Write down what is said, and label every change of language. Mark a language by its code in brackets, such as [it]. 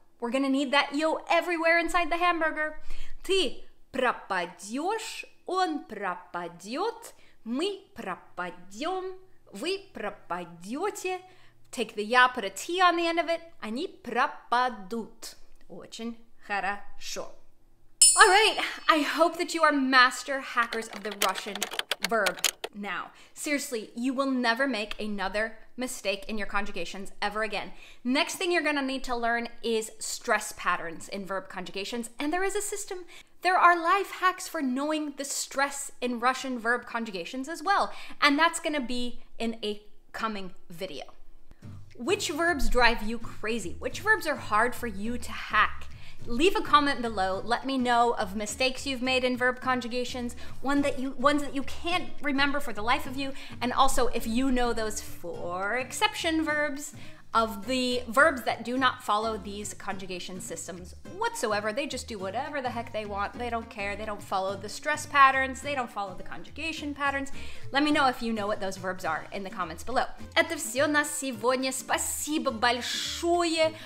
[en] We're gonna need that yo everywhere inside the hamburger. [ru] Ты пропадёшь, он пропадёт, мы пропадём, вы пропадёте. [en] Take the я, put a T on the end of it. [ru] Они пропадут. Очень хорошо. [en] All right, I hope that you are master hackers of the Russian verb now. Seriously, you will never make another mistake in your conjugations ever again. Next thing you're gonna need to learn is stress patterns in verb conjugations, and there is a system. There are life hacks for knowing the stress in Russian verb conjugations as well, and that's gonna be in a coming video. Which verbs drive you crazy? Which verbs are hard for you to hack? Leave a comment below, let me know of mistakes you've made in verb conjugations, ones that you can't remember for the life of you, and also if you know those four exception verbs of the verbs that do not follow these conjugation systems whatsoever. They just do whatever the heck they want, they don't care, they don't follow the stress patterns, they don't follow the conjugation patterns. Let me know if you know what those verbs are in the comments below. [ru] Это все на сегодня, спасибо большое.